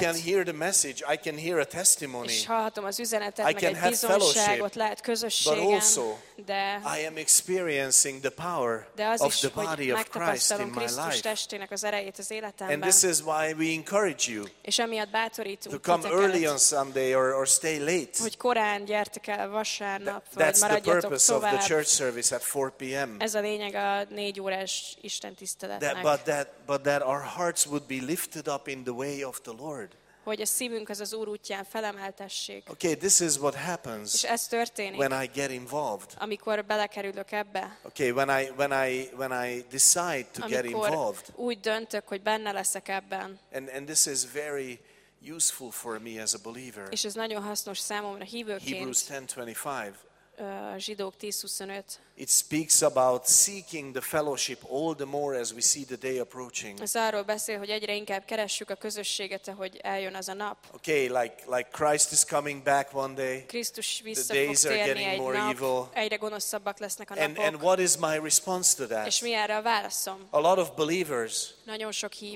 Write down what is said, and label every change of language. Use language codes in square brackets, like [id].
[en] I can hear the message, I can hear a testimony. [hu] És hallhatom az üzenetet, meg egy bizonságot, lehet közösségem. [en] Also, [hu] de [en] I am experiencing the power of the body of Christ in my life. [hu] Krisztus testének az erejét az életemben. [en] And this is why we encourage you. [hu] És emiatt bátorítunk. [en] To come early on Sunday or stay late. [hu] Hogy korán gyertek el vasárnap, vagy maradjatok tovább. [en] That's the purpose of the church service at 4 p.m. [hu] Ez a lényeg a 4 órás Isten tiszteletnek. [en] But that our hearts would be lifted up in the way of the Lord. [hu] Hogy a szívünk az Úr útján felemeltessék. [en] Okay, this is what happens. [hu] És ez történik. [en] When I get involved. [hu] Amikor belekerülök ebbe. [en] Okay, when I decide to get involved. [hu] Amikor úgy döntök, hogy benne leszek ebben. [en] And this is very useful for me as a believer. [hu] És ez nagyon hasznos számomra hívőként. [en] Hebrews 10:25. [hu] Zsidók 10:25. [en] It speaks about seeking the fellowship all the more as we see the day approaching. [hu] Ez arról beszél, hogy egyre inkább keressük a közösséget, ahogy eljön az a nap. [en] Okay, like Christ is coming back one day. [hu] Krisztus vissza fog térni egy nap. [en] The days are getting more evil. [hu] Egyre gonoszabbak lesznek a napok. [en] And what is my response to that? [hu] És mi erre a válaszom? [en] A lot of believers. [hu] Nagyon sok hívő.